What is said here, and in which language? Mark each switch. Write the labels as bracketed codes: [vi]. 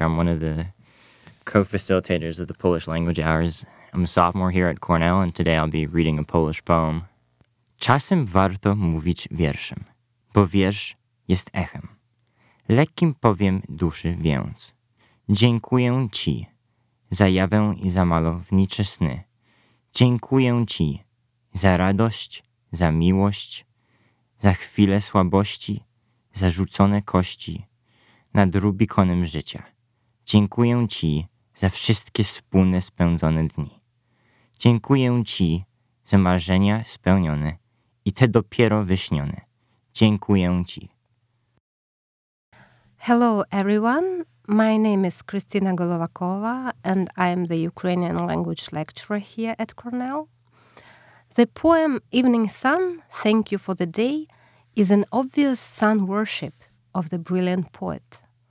[en] I'm one of the co-facilitators of the Polish Language Hours. I'm a sophomore here at Cornell, and today I'll be reading a Polish poem. [pl] Czasem warto mówić wierszem, bo wiersz jest echem. Lekkim powiem duszy więc. Dziękuję ci za jawę i za malownicze sny. Dziękuję ci za radość, za miłość, za chwile słabości, za rzucone kości nad rubikonem życia. Dziękuję ci za wszystkie wspólne spędzone dni. Dziękuję ci za marzenia spełnione i te dopiero wyśnione. Dziękuję ci. [en] Hello, everyone. My name is Kristina Golovakova, and I am the Ukrainian language lecturer here at Cornell. The poem Evening Sun, Thank You for the Day, is an obvious sun worship of the brilliant poet.